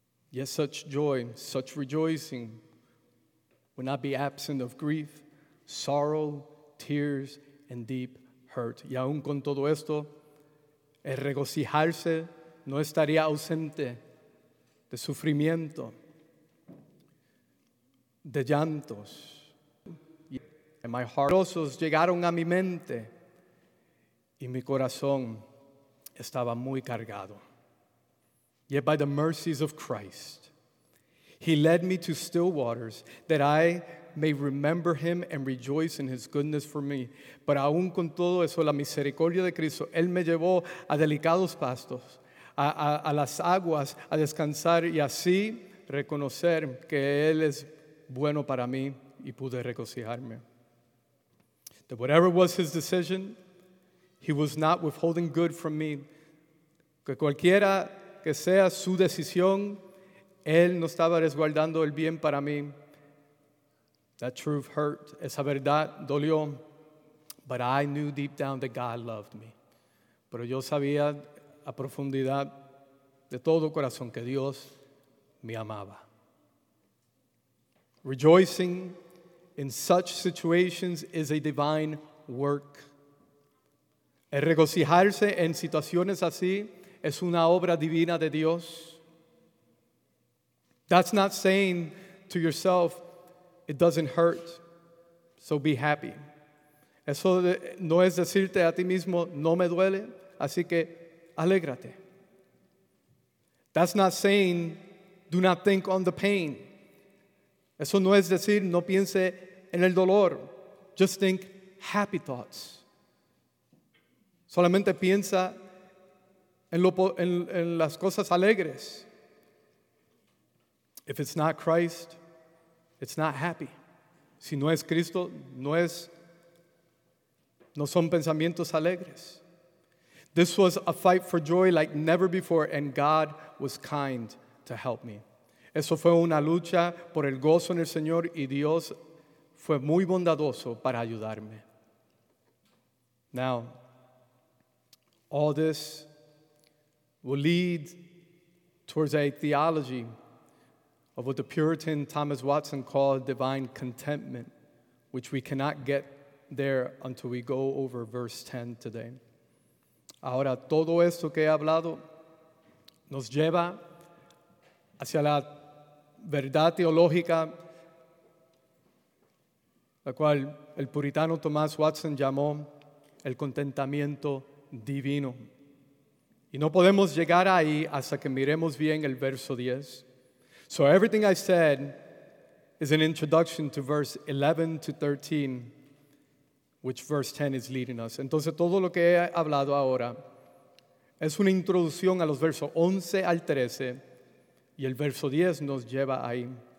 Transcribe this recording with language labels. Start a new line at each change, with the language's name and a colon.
English: Yes, such joy, such rejoicing will not be absent of grief, sorrow, tears, and deep hurt.
Spanish: Y aún con todo esto, el regocijarse no estaría ausente de sufrimiento, de llantos.
English: And my heart
Spanish: llegaron a mi mente y mi corazón estaba muy cargado.
English: Yet by the mercies of Christ, he led me to still waters that I may remember him and rejoice in his goodness for me.
Spanish: Pero aún con todo eso, la misericordia de Cristo, él me llevó a delicados pastos, a las aguas, a descansar y así reconocer que él es bueno para mí y pude regocijarme.
English: That whatever was his decision, he was not withholding good from me.
Spanish: Que cualquiera que sea su decisión, él no estaba resguardando el bien para mí.
English: That truth hurt.
Spanish: Esa verdad dolió.
English: But I knew deep down that God loved me.
Spanish: Pero yo sabía a profundidad de todo corazón que Dios me amaba.
English: Rejoicing in such situations is a divine work.
Spanish: El regocijarse en situaciones así es una obra divina de Dios.
English: That's not saying to yourself, it doesn't hurt, so be happy.
Spanish: Eso no es decirte a ti mismo, no me duele, así que alégrate.
English: That's not saying, do not think on the pain.
Spanish: Eso no es decir, no piense en el dolor.
English: Just think happy thoughts.
Spanish: Solamente piensa en las cosas alegres.
English: If it's not Christ, it's not happy.
Spanish: Si no es Cristo, no son pensamientos alegres.
English: This was a fight for joy like never before, and God was kind to help me.
Spanish: Eso fue una lucha por el gozo en el Señor, y Dios fue muy bondadoso para ayudarme.
English: Now, all this will lead towards a theology of what the Puritan Thomas Watson called divine contentment, which we cannot get there until we go over verse 10 today.
Spanish: Ahora, todo esto que he hablado nos lleva hacia la verdad teológica, la cual el puritano Thomas Watson llamó el contentamiento divino. Y no podemos llegar ahí hasta que miremos bien el verso 10.
English: So everything I said is an introduction to verse 11 to 13, which verse 10 is leading us.
Spanish: Entonces, todo lo que he hablado ahora es una introducción a los versos 11 al 13, y el verso 10 nos lleva ahí.